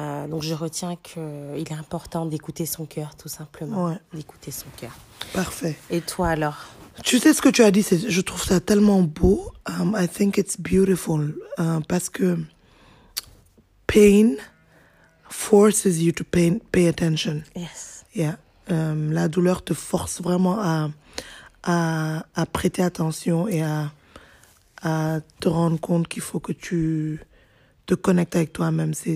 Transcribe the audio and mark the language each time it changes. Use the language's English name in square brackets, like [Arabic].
[French] Donc, je retiens qu'il est important d'écouter son cœur, tout simplement. D'écouter son cœur. Parfait. Et toi, alors? Tu sais ce que tu as dit, je trouve ça tellement beau. [English] I think it's beautiful. [French] Parce que [English] pain forces you to pay attention. Yes. Yeah. [French] La douleur te force vraiment à prêter attention et à te rendre compte qu'il faut que tu te connectes avec toi-même.